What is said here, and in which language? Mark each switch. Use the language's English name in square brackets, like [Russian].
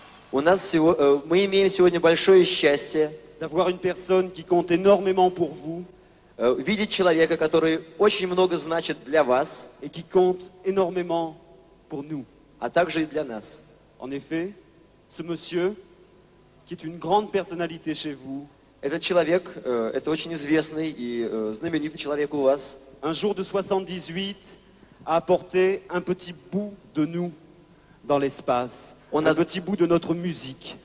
[Russian] У нас мы имеем сегодня большое счастье [French] d'avoir une personne qui compte énormément pour vous. [Russian] Видеть человека, который очень много значит для вас и [French] qui compte énormément pour nous, [Russian] а также и для нас. [French] En effet, ce monsieur, qui est une grande personnalité chez vous, [Russian] этот человек, это очень известный и знаменитый человек у вас, [French] un jour de 78 a apporté un petit bout de nous dans l'espace, un petit bout de notre musique.